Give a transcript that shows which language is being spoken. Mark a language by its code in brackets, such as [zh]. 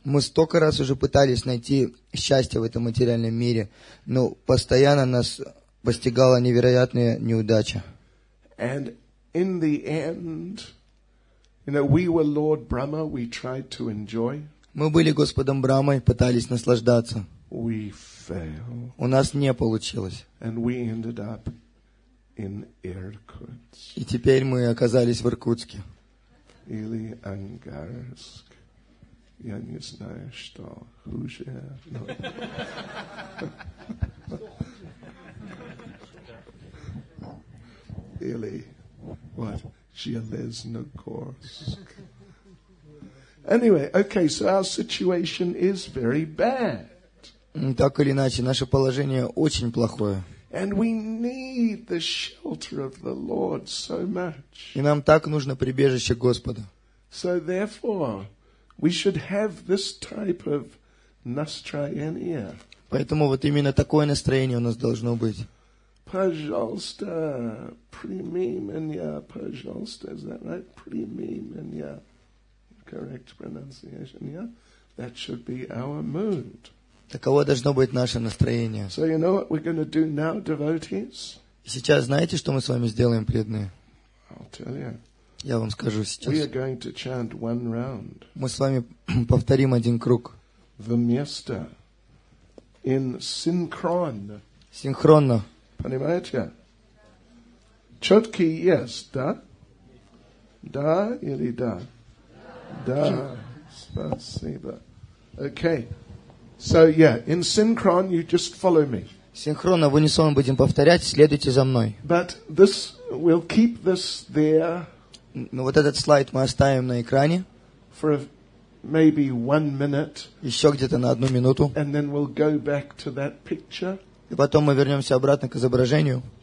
[ru] Мы столько раз уже пытались найти счастье в этом материальном мире, но постоянно нас постигала невероятная неудача. [en] And in the end, you know, we were Lord Brahma. We tried to enjoy. [ru] Мы были Господом Брахмой, пытались наслаждаться. [en] We fail. [ru] У нас не получилось. [en] And we ended up in Irkutsk. [ru] И теперь мы оказались в Иркутске. Или Ангарск. Я не знаю, что хуже. Или [en] what? [ru] Железногорск. [en] Anyway, okay, so our situation is very bad. [ru] Так или иначе, наше положение очень плохое. [en] And we need the shelter of the Lord so much. [ru] И нам так нужно прибежище Господа. [en] So therefore, we should have this type of [ru] настроение. Поэтому вот именно такое настроение у нас должно быть. Пожалуйста, прими меня, пожалуйста, [en] is that right? [ru] Прими меня. [en] Correct pronunciation, yeah? That should be our mood. [ru] Таково должно быть наше настроение. [en] So you know what we're going to do now, devotees? [ru] Сейчас знаете, что мы с вами сделаем, преданные? [en] I'll tell you. [ru] Я вам скажу сейчас. [en] We are going to chant one round. [ru] Мы с вами повторим один круг. Вместо. [en] In synchron. [ru] Синхронно. Понимаете? Четкий [en] yes, [ru] да? Да или да? Да, спасибо. [en] Okay. So yeah, in synchron you just follow me. [ru] Синхронно в унисон будем повторять, следуйте за мной. [en] But this we'll keep this there. [ru] Но вот этот слайд мы оставим на экране. [en] For maybe 1 minute. [ru] Еще где-то на одну минуту. [en] And then we'll go back to that picture. [ru] И потом мы вернемся обратно к изображению.